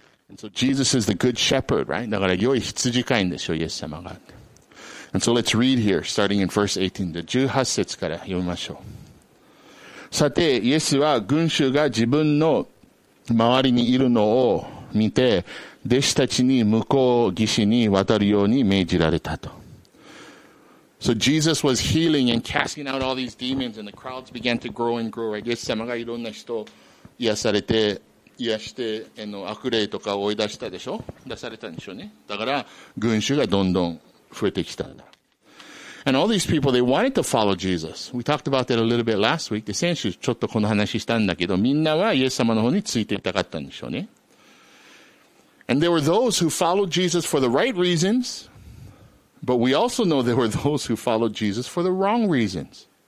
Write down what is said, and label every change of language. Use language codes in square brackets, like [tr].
[en] And so Jesus is the good shepherd, right? [ja] だから良い羊飼いんでしょう、イエス様が。 [en] And so let's read here, starting in verse 18. [ja] 18節から読みましょう。さて、イエスは群衆が自分の周りにいるのを見て、弟子たちに向こう岸に渡るように命じられたと。 [en] So Jesus was healing and casting out all these demons and the crowds began to grow and grow, right? [ja] イエス様がいろんな人を癒されて、癒して、悪霊とかを追い出したでしょ？出されたんでしょうね。だから、群衆がどんどん増えてきたんだ。 [en] And all these people, they wanted to follow Jesus. We talked about that a little bit last week. [ja] 先週ちょっとこの話したんだけど、みんなはイエス様の方についていたかったんでしょうね。 [en] And there were those who followed Jesus for the right reasons, but we also know there were those who followed Jesus for the wrong reasons.